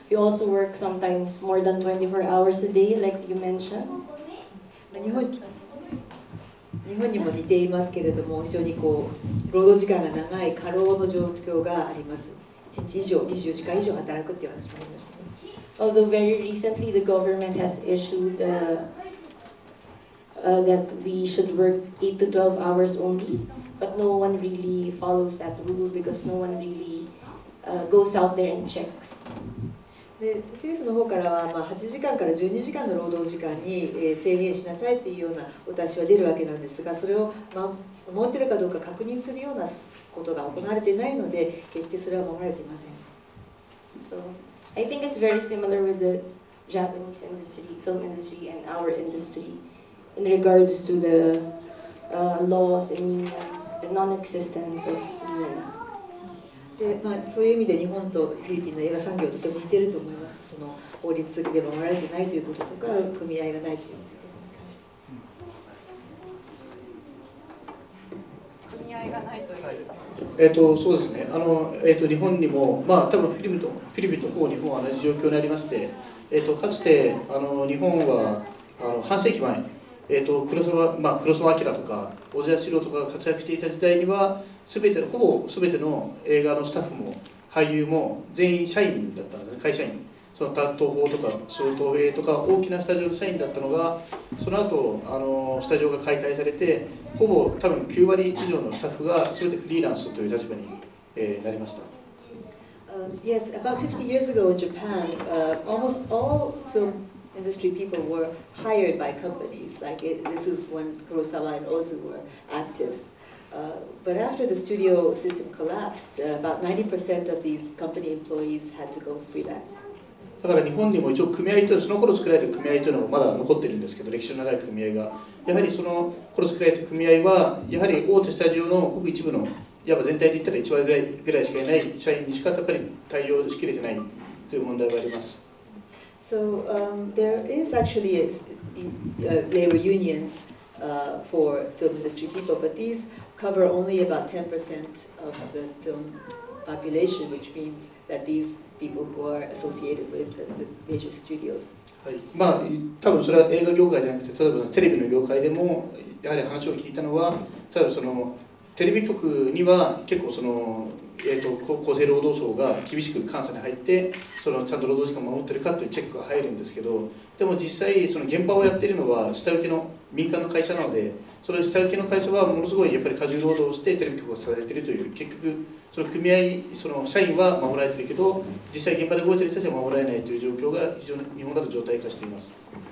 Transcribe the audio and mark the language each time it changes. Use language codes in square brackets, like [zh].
[en] We also work sometimes more than 24 hours a day, like you mentioned. [ja] 日本にも似ていますけれども、非常にこう労働時間が長い過労の状況があります。 1日以上、24時間以上働くという話もありました。 [en] Although very recently the government has issued that we should work 8 to 12 hours only, but no one really follows that rule because no one really goes out there and checks. [ja] で政府の方からは、まあ、8時間から12時間の労働時間に、制限しなさいというようなお達しは出るわけなんですが、それを、まあ、守っているかどうか確認するようなことが行われていないので、決してそれは守られていません。 [en] So, I think it's very similar with the Japanese industry, film industry and our industry in regards to the laws and unions, the non-existence of unions. [ja] でまあ、そういう意味で日本とフィリピンの映画産業はとても似ていると思います。その法律で守られていないということとか組合がないということに関して、組合がないという、そうですね、日本にも、まあ、多分フィリピンの方、日本は同じ状況にありまして、かつて日本は半世紀前、黒澤明とか小津安二郎とかが活躍していた時代には、全てほぼ全ての映画のスタッフも俳優も全員社員だったんですね。会社員、その担当法とか総統兵とか大きなスタジオの社員だったのが、その後スタジオが解体されて、ほぼ多分9割以上のスタッフが全てフリーランスという立場に、なりました。 [en] Yes, about 50 years ago in Japan, almost all film industry people were hired by companies. Like this is when Kurosawa and Ozu were active. But after the studio system collapsed, about 90% of these company employees had to go freelance. [ja] だから日本にも一応組合というのは、その頃作られた組合というのもまだ残ってるんですけど、歴史の長い組合が。やはりその頃作られた組合は、やはり大手スタジオのごく一部の、いわば全体で言ったら1割ぐらいしかいない社員にしかやっぱり対応しきれてないという問題があります。 [en] So, there is actually labor unions. For film industry people, but these cover only about 10% of the film population, which means that these people who are associated with the major studios. [ja] はい。まあ、多分それは映画業界じゃなくて、例えばテレビの業界でも、やはり話を聞いたのは、例えばそのテレビ局には結構その厚生労働省が厳しく監査に入って、そのちゃんと労働時間を守ってるかというチェックが入るんですけど、でも実際その現場をやっているのは下請けの民間の会社なので、その下請けの会社はものすごいやっぱり過重労働をしてテレビ局を支えているという、結局その組合、その社員は守られているけど、実際現場で動いている人たちは守られないという状況が非常に日本だと状態化しています。